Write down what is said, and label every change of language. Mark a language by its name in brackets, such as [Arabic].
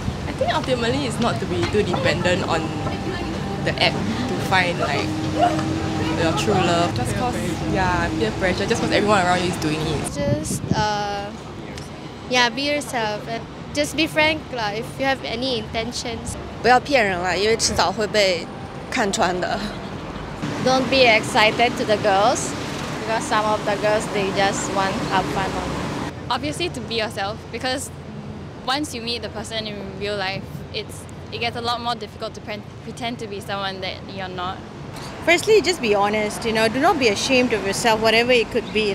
[English] I think ultimately it's not to be too dependent on the app to find like your true love. Just cause yeah, peer pressure, just cause everyone around you is doing it. Just yeah, be yourself and just be frank like, if you have any intentions. [Chinese] 不要骗人啦，因为迟早会被看穿的。 [English] Don't be excited to the girls, because some of the girls they just want to have fun on. Obviously to be yourself, because once you meet the person in real life, it gets a lot more difficult to pretend to be someone that you're not. Firstly, just be honest, you know, do not be ashamed of yourself, whatever it could be.